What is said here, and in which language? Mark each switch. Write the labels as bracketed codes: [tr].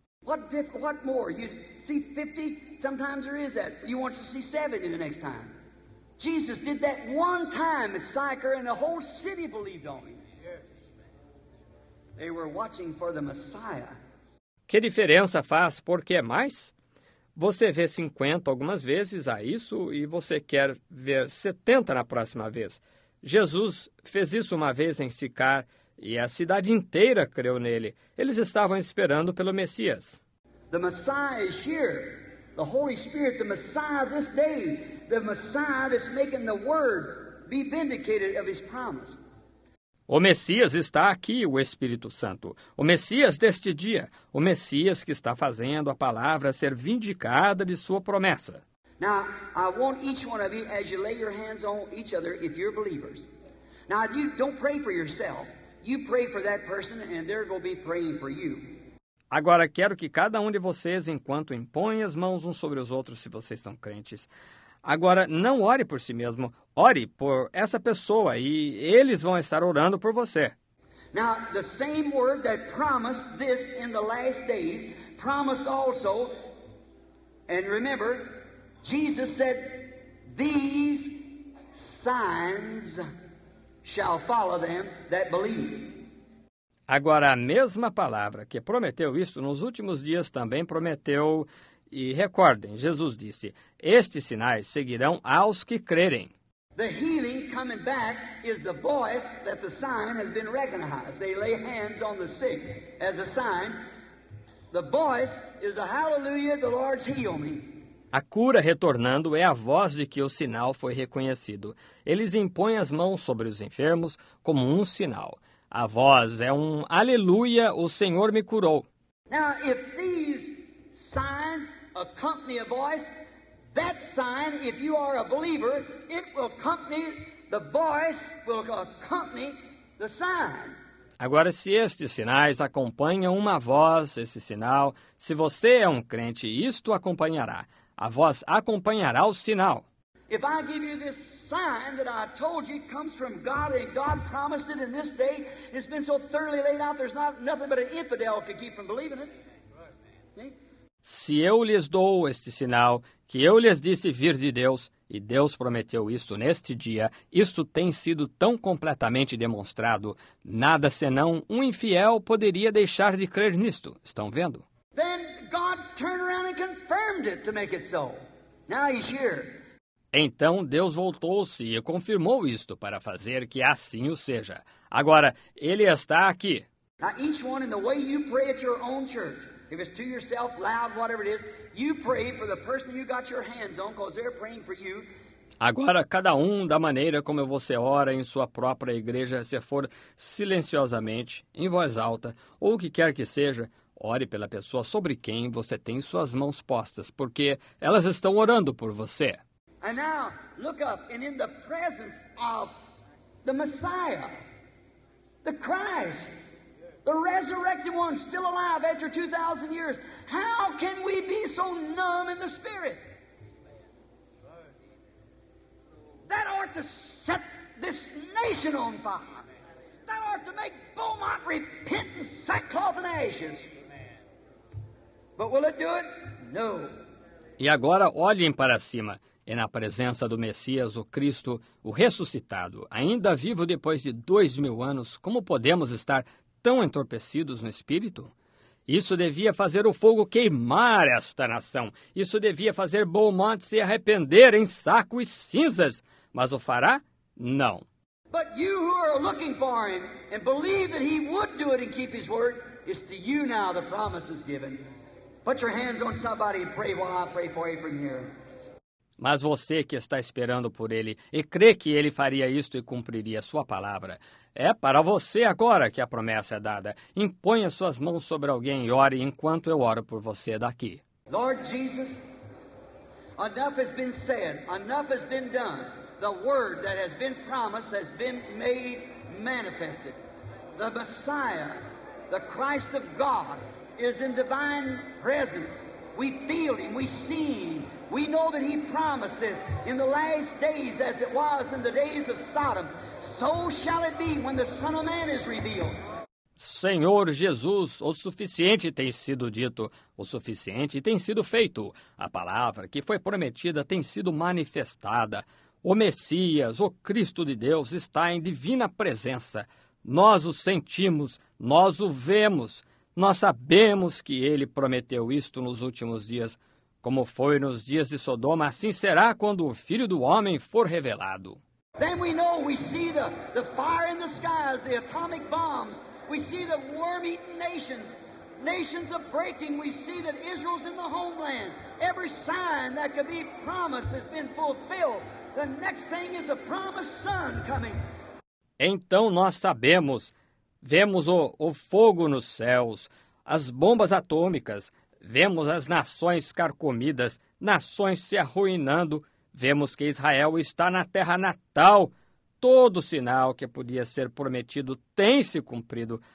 [en] What more? You see 50? Sometimes there is that. You want to see 70 the next time. Jesus did that one time at Sychar, and the whole city believed on him. They were watching for the Messiah. [pt] Que diferença faz porque é mais? Você vê 50 algumas vezes a isso e você quer ver 70 na próxima vez. Jesus fez isso uma vez em Sicar e a cidade inteira creu nele. Eles estavam esperando pelo Messias. [en] The Messiah is here. The Holy Spirit, the Messiah this day, the Messiah that's making the word be vindicated of his promise. [pt] O Messias está aqui, o Espírito Santo. O Messias deste dia. O Messias que está fazendo a palavra ser vindicada de sua promessa. [en] Now, I want each one of you, as you lay your hands on each other, if you're believers. Now, if you don't pray for yourself. You pray for that person, and they're going to be praying for you. [pt] Agora, quero que cada um de vocês, enquanto impõe as mãos uns sobre os outros, se vocês são crentes, agora, não ore por si mesmo. Ore por essa pessoa e eles vão estar orando por você. [en] Now, the same word that promised this in the last days promised also, and remember, Jesus said, these signs shall follow them that believe. [pt] Agora, a mesma palavra que prometeu isso nos últimos dias também prometeu. E recordem, Jesus disse, estes sinais seguirão aos que crerem. [en] The healing coming back is the voice that the sign has been recognized. They lay hands on the sick as a sign. The voice is a hallelujah, the Lord's healed me. [pt] A cura retornando é a voz de que o sinal foi reconhecido. Eles impõem as mãos sobre os enfermos como um sinal. A voz é um aleluia, o Senhor me curou. [en] Now, if these signs accompany a voice, that sign, if you are a believer, it will accompany, the voice will accompany the sign. [pt] Agora, se estes sinais acompanham uma voz, esse sinal, se você é um crente, isto acompanhará. A voz acompanhará o sinal. [en] If I give you this sign that I told you comes from God and God promised it in this day, it's been so thoroughly laid out, there's not nothing but an infidel could keep from believing it. [pt] Se eu lhes dou este sinal, que eu lhes disse vir de Deus, e Deus prometeu isto neste dia, isto tem sido tão completamente demonstrado, nada senão um infiel poderia deixar de crer nisto. Estão vendo? [en] Then God turned around and confirmed it to make it so. Now he's here. [pt] Então Deus voltou-se e confirmou isto para fazer que assim o seja. Agora, ele está aqui. [en] Now each one in the way you pray at your own church. If it's to yourself, loud, whatever it is, you pray for the person you got your hands on, because they're praying for you. [pt] Agora, cada um da maneira como você ora em sua própria igreja, se for silenciosamente, em voz alta, ou o que quer que seja, ore pela pessoa sobre quem você tem suas mãos postas, porque elas estão orando por você. [en] And now, look up, and in the presence of the Messiah, the Christ, the resurrected one still alive after 2,000 years. How can we be so numb in the spirit? That ought to set this nation on fire. That ought to make Beaumont repent in sackcloth and ashes. But will it do it? No. [pt] E agora olhem para cima. E na presença do Messias, o Cristo, o ressuscitado, ainda vivo depois de 2,000 anos, como podemos estar tão entorpecidos no espírito? Isso devia fazer o fogo queimar esta nação. Isso devia fazer Beaumont se arrepender em saco e cinzas. Mas o fará? Não. [en] But you who are looking for him and believe that he would do it and keep his word, it's to you now the promise is given. Put your hands on somebody and pray while I pray for Abraham here. [pt] Mas você que está esperando por ele e crê que ele faria isto e cumpriria sua palavra, é para você agora que a promessa é dada. Imponha suas mãos sobre alguém e ore enquanto eu oro por você daqui. [en] Lord Jesus, enough has been said, enough has been done. The word that has been promised has been made manifested. The Messiah, the Christ of God, is in divine presence. We feel him. We see him. We know that he promises in the last days, as it was in the days of Sodom, so shall it be when the Son of Man is revealed. [pt] Senhor Jesus, o suficiente tem sido dito, o suficiente tem sido feito. A palavra que foi prometida tem sido manifestada. O Messias, o Cristo de Deus, está em divina presença. Nós o sentimos, nós o vemos. Nós sabemos que ele prometeu isto nos últimos dias. Como foi nos dias de Sodoma, assim será quando o Filho do Homem for revelado. [en] Then we know, we see the fire in the skies, the atomic bombs. We see the worm-eaten nations, nations are breaking. We see that Israel's in the homeland. Every sign that could be promised has been fulfilled. The next thing is a promised son coming. [pt] Então nós sabemos, vemos o fogo nos céus, as bombas atômicas, vemos as nações carcomidas, nações se arruinando, vemos que Israel está na terra natal. Todo sinal que podia ser prometido tem se cumprido.